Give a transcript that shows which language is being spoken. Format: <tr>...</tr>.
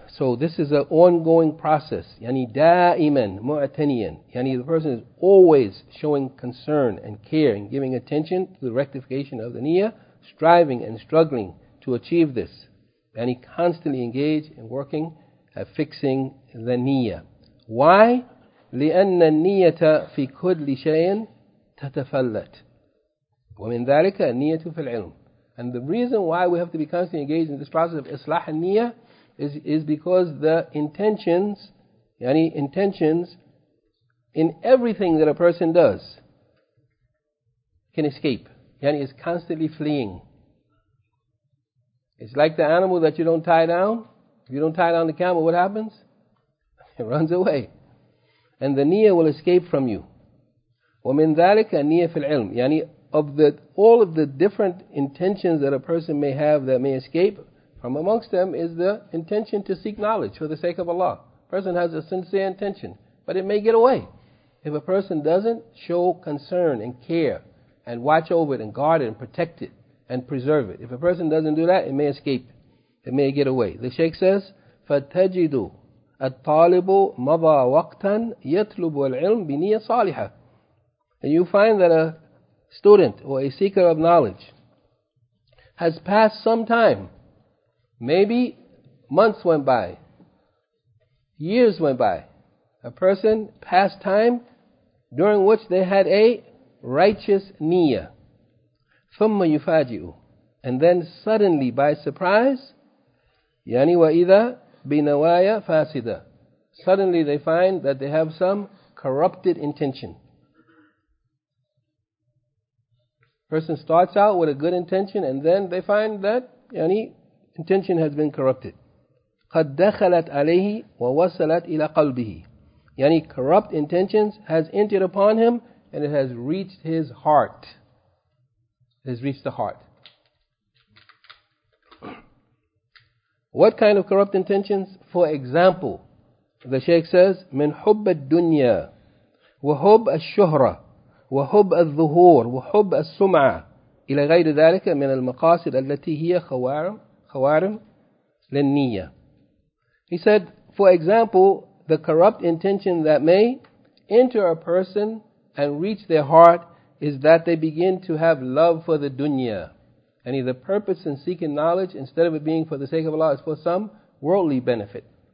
<en>So this is an ongoing process. Yani</en> <ar>da'iman mu'taniyan.</ar> <en>Yani the person is always showing concern and care and giving attention to the rectification of the niyyah, striving and struggling to achieve this. Yani constantly engaged in working at fixing the niyyah. Why?</en> <ar>لأن النية في كل شيء تتفلت ومن ذلك النية في العلم.</ar> <en>And the reason why we have to be constantly engaged in this process of</en> <ar>إصلاح النية</ar> <en>is because the intentions, yani intentions in everything that a person does can escape. Yani is constantly fleeing. It's like the animal that you don't tie down. If you don't tie down the camel, what happens? It runs away. And the niyyah will escape from you.</en> <ar>وَمِنْ ذَلِكَ النِّيَّةِ فِي الْعِلْمِ.</ar> <en>Yani of the all of the different intentions that a person may have that may escape, from amongst them is the intention to seek knowledge for the sake of Allah. A person has a sincere intention, but it may get away. If a person doesn't show concern and care and watch over it and guard it and protect it and preserve it. If a person doesn't do that, it may escape. It may get away. The Shaykh says,</en> <ar>فَتَجِدُوا الطالب مضى وقتا يطلب العلم بنية صالحة.</ar> <en>And you find that a student or a seeker of knowledge has passed some time. Maybe months went by, years went by. A person passed time during which they had a righteous niyyah.</en> <ar>ثم يفاجئ.</ar> <en>And then suddenly by surprise,</en> <ar>يعني وإذا بنوايا فاسدة.</ar> <en>Suddenly they find that they have some corrupted intention. Person starts out with a good intention and then they find that يعني intention has been corrupted.</en> <ar>قد دخلت عليه ووصلت إلى قلبه.</ar> <en>يعني corrupt intentions has entered upon him and it has reached his heart. It has reached the heart. What kind of corrupt intentions? For example, the Shaykh says,</en> <ar>من حب الدنيا وحب الشهرة وحب الظهور وحب السمعة إلى غير ذلك من المقاصد التي هي خوارم خوارم للنية.</ar> <en>He said, for example, the corrupt intention that may enter a person and reach their heart is that they begin to have love for the dunya. And the purpose in seeking knowledge, instead of it being for the sake of Allah, is for some worldly benefit.</en>